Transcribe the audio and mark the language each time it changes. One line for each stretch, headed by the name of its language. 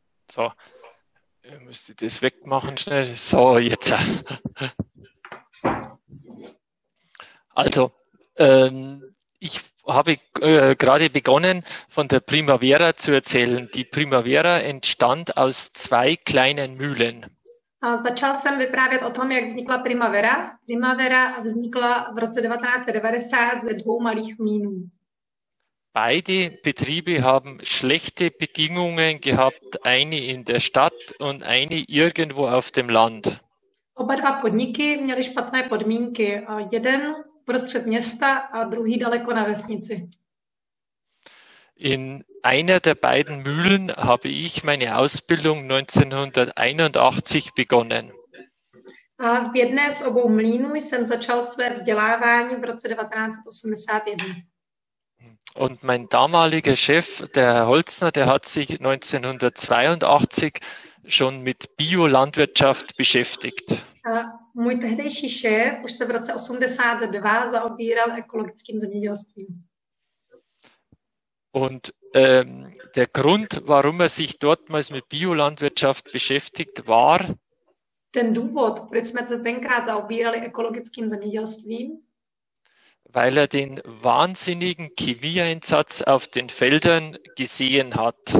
German: So, ich müsste das wegmachen schnell. So, jetzt. Also, ich habe gerade begonnen, von der Primavera zu erzählen. Die Primavera entstand aus zwei kleinen Mühlen.
Czech: Začal jsem vyprávět o tom, jak vznikla Primavera. Primavera vznikla v roce 1990 ze dvou malých mlýnů.
German: Beide Betriebe haben schlechte Bedingungen gehabt, eine in der Stadt und eine irgendwo auf dem Land.
Czech: Oba dva podniky měly špatné podmínky. Jeden uprostřed města a druhý daleko na vesnici.
German: In einer der beiden Mühlen habe ich meine Ausbildung 1981 begonnen.
Czech: V jedné z obou mlýnů jsem začal své vzdělávání v roce 1981.
German: Und mein damaliger Chef, der Herr Holzner, der hat sich 1982 schon mit Biolandwirtschaft beschäftigt.
Czech: Můj tehdejší šéf už se v roce 82 zaobíral ekologickým zemědělstvím.
German: Und der Grund, warum sich dortmals mit Biolandwirtschaft beschäftigt, war
Czech: ten důvod, proč jsme se tenkrát zaobírali ekologickým zemědělstvím,
German: weil den wahnsinnigen Chemieeinsatz auf den Feldern gesehen hat.